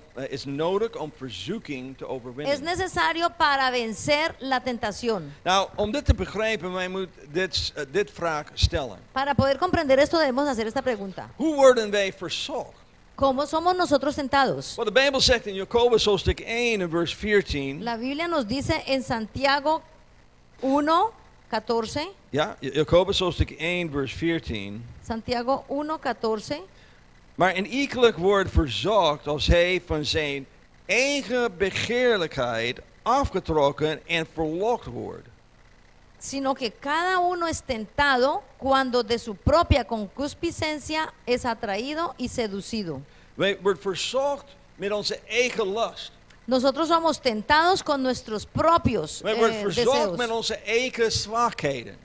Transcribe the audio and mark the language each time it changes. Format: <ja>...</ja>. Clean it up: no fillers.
<nl>Is nodig om verzoeking te overwinnen.</nl> <es>Es necesario para vencer la tentación.</es> <nl>Nou, om dit te begrijpen, wij moeten dit vraag stellen.</nl> <es>Para poder comprender esto, debemos hacer esta pregunta.</es> <nl>Hoe worden wij verzocht?</nl> <es>¿Cómo somos nosotros tentados?</es> <en>Well, the Bible says in Jacobus hoofdstuk 1 in verse 14.</en> <es>La Biblia nos dice en Santiago 1, 14.</es> <nl>Ja, Jacobus hoofdstuk 1 verse 14.</nl> <es>Santiago 1, 14.</es> <nl>Maar een iekelijk wordt verzocht als hij van zijn eigen begeerlijkheid afgetrokken en verlokt wordt.</nl> <es>Sino que cada uno es tentado cuando de su propia concupiscencia es atraído y seducido.</es> <nl>Wij worden verzocht met onze eigen lust.</nl> <es>Nosotros somos tentados con nuestros propios deseos.</es> <nl>Wij worden verzocht met onze eigen zwakheden.</nl>